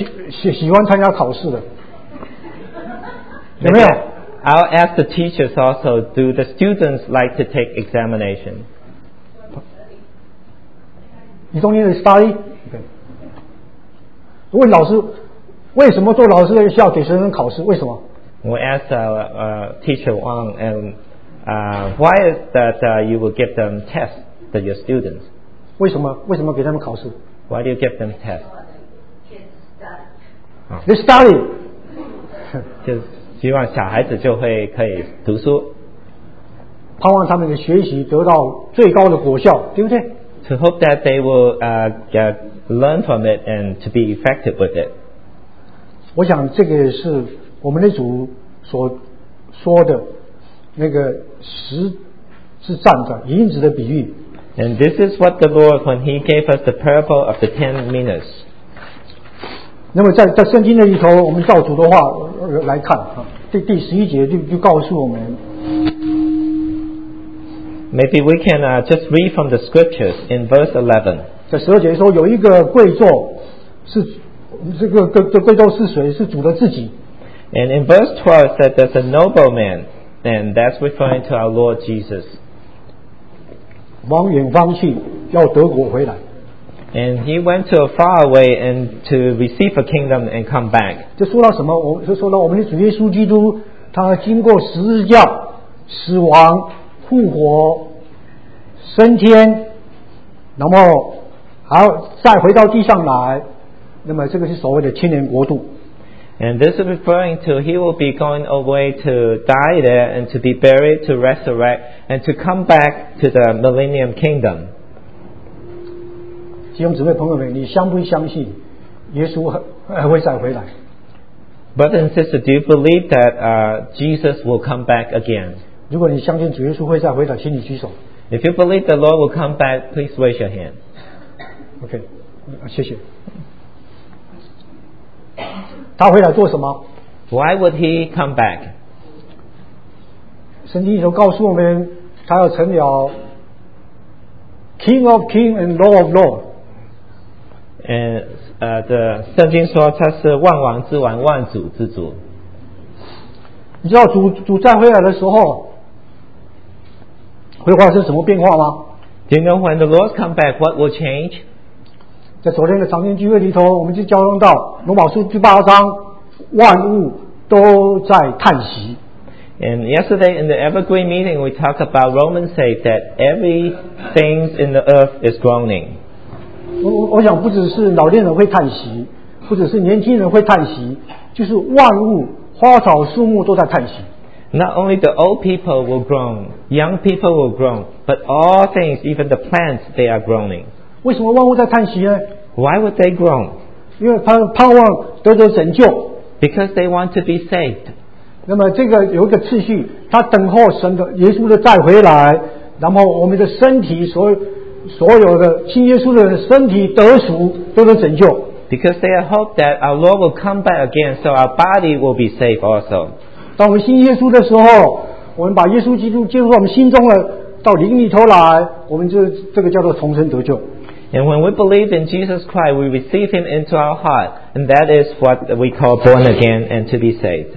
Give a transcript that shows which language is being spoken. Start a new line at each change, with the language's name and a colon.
Chinese: 感谢主，我想。另外我要问这些做老师的，我也许问老师或者是这个，这个那个做老师的，对学生来讲，学生不喜欢考试，对不对？对不对？有没有学生喜欢参加考试的？
English: Maybe I'll ask the teachers also, do the students like to take examination? You don't need to study? Okay.
Chinese: 问老师, 为什么做老师要给学生考试? 为什么?
English: We ask teacher Wang, and why is that you will give them tests to your students?
Chinese: 为什么?为什么给他们考试?
English: Why do you give them tests? They study.
Chinese: 就希望小孩子就会可以读书，盼望他们的学习得到最高的果效，对不对？
English: To hope that they will get learn from it and to be effective with it.
Chinese: 我想这个是我们的主所说的那个石之杖的银子的比喻。
English: And this is what the Lord, when He gave us the parable of the 10 minas.
Chinese: 那么在圣经的里头，我们照主的话来看，第十一节就告诉我们。
English: Maybe we can just read from the scriptures in verse 11.
Chinese: 在十二节说，有一个贵座是这个这贵座是谁？是主的自己。
English: And in verse 12, it said there's a nobleman, and that's referring to our Lord Jesus.
Chinese: 往远方去，要得国回来。
English: And he went to a far away and to receive a kingdom and come back.
Chinese: 就说到什么？我就说到我们的主耶稣基督，他经过十字架、死亡、复活、升天，那么还再回到地上来，那么这个是所谓的千年国度。
English: And this is referring to he will be going away to die there and to be buried, to resurrect, and to come back to the millennium kingdom.
Chinese: 弟兄姊妹朋友们，你相不相信耶稣会再回来？
English: Brother and sister, do you believe that Jesus will come back again?
Chinese: 如果你相信主耶稣会再回来，请你举手。
English: If you believe the Lord will come back, please raise your hand.
Chinese: Okay, 谢谢。他会来做什么？
English: Why would he come back?
Chinese: 圣经里头告诉我们，他要成了
English: King of Kings and Lord of Lords.
Chinese: And 圣经说他是万王之王，万主之主。你知道主再回来的时候会发生什么变化吗？
English: Do you know when the Lord come back, what will change?
Chinese: 在昨天的长篇聚会里头，我们就交通到罗马书第八章，万物都在叹息。
English: And yesterday in the Evergreen meeting, we talked about Romans 8 that everything in the earth is groaning.
Chinese: 我想不只是老年人会叹息，不只是年轻人会叹息，就是万物、花草树木都在叹息。
English: Not only the old people will groan, young people will groan, but all things, even the plants, they are groaning.
Chinese: 为什么万物在叹息呢？
English: Why would they groan?
Chinese: 因为他盼望得着拯救。
English: Because they want to be saved.
Chinese: 那么这个有一个次序，他等候神的耶稣的再回来，然后我们的身体所有的信耶稣的身体得赎，得着拯救。
English: Because they hope that our Lord will come back again, so our body will be saved also.
Chinese: 当我们信耶稣的时候，我们把耶稣基督接入我们心中了。到灵里头来，我们这个叫做重生得救。
English: And when we believe in Jesus Christ, we receive Him into our heart, and that is what we call born again and to be saved.